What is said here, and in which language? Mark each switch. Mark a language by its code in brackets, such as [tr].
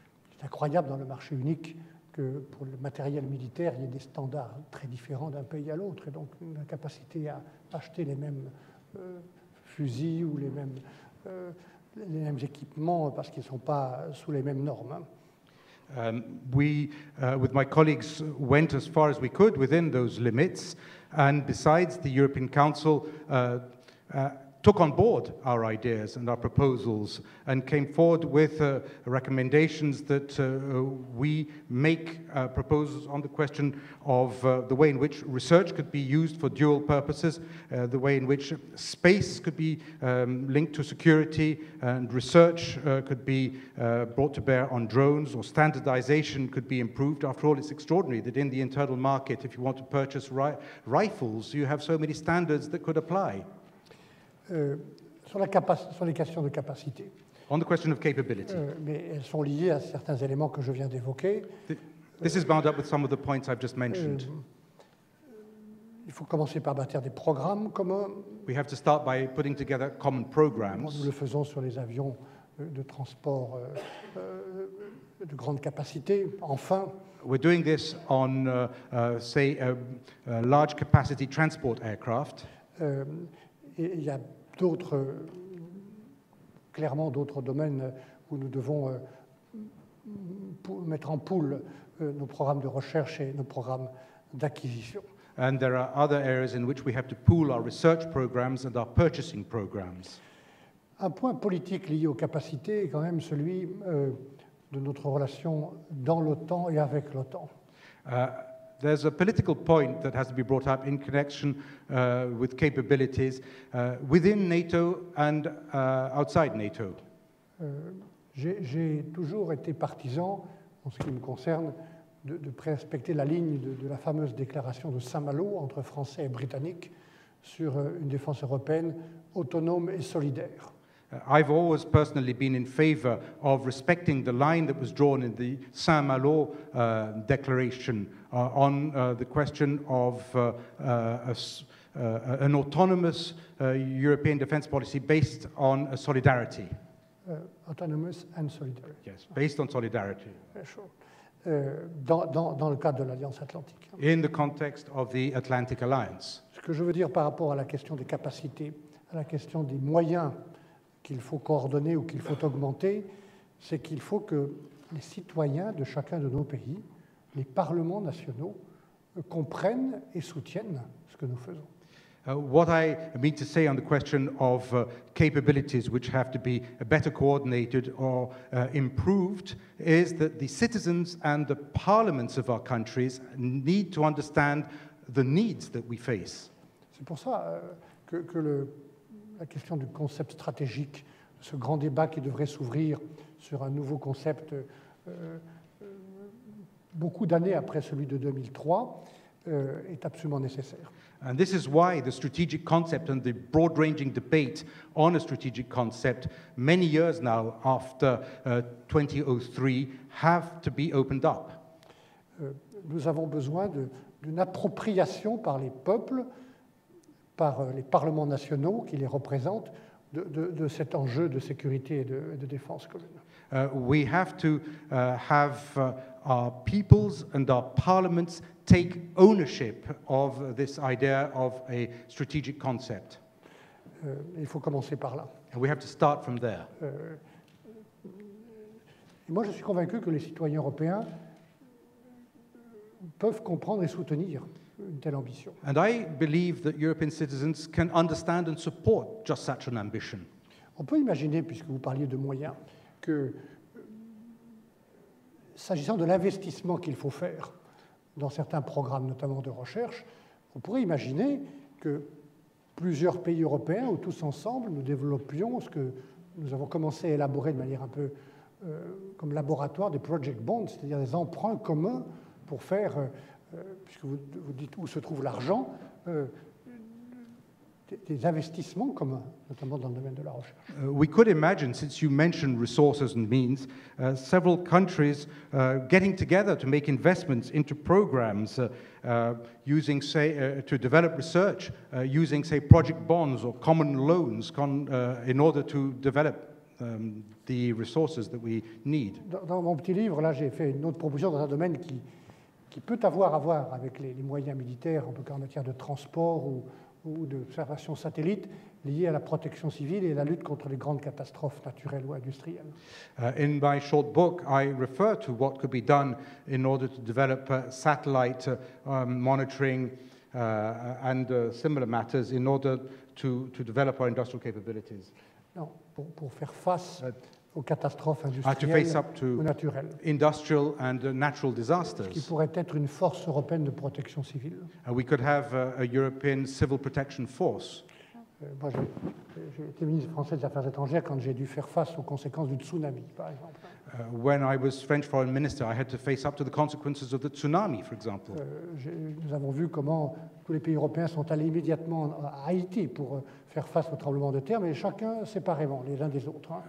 [fr] C'est incroyable dans le marché unique que pour le matériel militaire, il y ait des standards très différents d'un pays à l'autre et donc la capacité à acheter les mêmes... fusils ou les mêmes équipements parce qu'ils ne sont pas sous les mêmes normes. [en] With my colleagues, went as far as we could within those limits, and besides, the European Council took on board our ideas and our proposals and came forward with recommendations that we make proposals on the question of the way in which research could be used for dual purposes, the way in which space could be linked to security and research could be brought to bear on drones or standardization could be improved. After all, it's extraordinary that in the internal market, if you want to purchase rifles, you have so many standards that could apply. [fr] Sur les questions de capacité. [en] On the question of capability. [fr] Mais elles sont liées à certains éléments que je viens d'évoquer. [en] This is bound up with some of the points I've just mentioned. [fr] Il faut commencer par bâtir des programmes communs. [en] We have to start by putting together common programs. [fr] Nous le faisons sur les avions de transport de grande capacité. Enfin. [en] We're doing this on, say, a large capacity transport aircraft. [fr] Et il y a d'autres clairement d'autres domaines où nous devons mettre en poule nos programmes de recherche et nos programmes d'acquisition. [en] And there are other areas in which we have to pool our research programs and our purchasing programs. [fr] Un point politique lié aux capacités est quand même celui de notre relation dans l'OTAN et avec l'OTAN. [en] There's a political point that has to be brought up in connection with capabilities within NATO and outside NATO. [fr] J'ai toujours été partisan, en ce qui me concerne, de respecter la ligne de la fameuse déclaration de Saint-Malo entre Français et Britanniques sur une défense européenne autonome et solidaire. [en] I've always personally been in favor of respecting the line that was drawn in the Saint-Malo declaration on the question of an autonomous European defense policy based on solidarity. Autonomous and solidarity. Yes, based on solidarity. Sure. [fr] Dans le cadre de l'Alliance Atlantique. [en] In the context of the Atlantic Alliance. [fr] Ce que je veux dire par rapport à la question des capacités, à la question des moyens qu'il faut coordonner ou qu'il faut augmenter, c'est qu'il faut que les citoyens de chacun de nos pays, les parlements nationaux, comprennent et soutiennent ce que nous faisons. [en] What I mean to say on the question of capabilities which have to be better coordinated or improved is that the citizens and the parliaments of our countries need to understand the needs that we face. [fr] C'est pour ça que la question du concept stratégique, ce grand débat qui devrait s'ouvrir sur un nouveau concept beaucoup d'années après celui de 2003, est absolument nécessaire. [en] And this is why the strategic concept and the broad-ranging debate on a strategic concept many years now after 2003 have to be opened up. [fr] Nous avons besoin d'une appropriation par les peuples, par les parlements nationaux qui les représentent, de cet enjeu de sécurité et de défense commune. [en] We have to have our peoples and our parliaments take ownership of this idea of a strategic concept. [fr] Il faut commencer par là. [en] And we have to start from there. [fr] Et moi, je suis convaincu que les citoyens européens peuvent comprendre et soutenir une telle ambition. [en] And I believe that European citizens can understand and support just such an ambition. [fr] On peut imaginer, puisque vous parliez de moyens, que s'agissant de l'investissement qu'il faut faire dans certains programmes, notamment de recherche, on pourrait imaginer que plusieurs pays européens, ou tous ensemble, nous développions ce que nous avons commencé à élaborer de manière un peu comme laboratoire des project bonds, c'est-à-dire des emprunts communs pour faire, puisque vous dites où se trouve l'argent, des investissements communs, notamment dans le domaine de la recherche. [en] We could imagine, since you mentioned resources and means, several countries getting together to make investments into programs to develop research using, say, project bonds or common loans in order to develop the resources that we need. [fr] Dans mon petit livre, là, j'ai fait une autre proposition dans un domaine qui peut avoir à voir avec les moyens militaires, en tout cas en matière de transport ou d'observation satellite liée à la protection civile et à la lutte contre les grandes catastrophes naturelles ou industrielles. [en] In my short book, I refer to what could be done in order to develop satellite monitoring and similar matters in order to develop our industrial capabilities. [fr] Non, pour faire face aux catastrophes industrielles ou naturelles. [en] Industrial and natural disasters. [fr] Ce qui pourrait être une force européenne de protection civile. [en] We could have a European civil protection force. [fr] Moi, j'ai été ministre français des Affaires étrangères quand j'ai dû faire face aux conséquences du tsunami, par exemple. [en] When I was French foreign minister, I had to face up to the consequences of the tsunami, for example. [fr] Nous avons vu comment tous les pays européens sont allés immédiatement à Haïti pour faire face au tremblement de terre, mais chacun séparément, les uns des autres.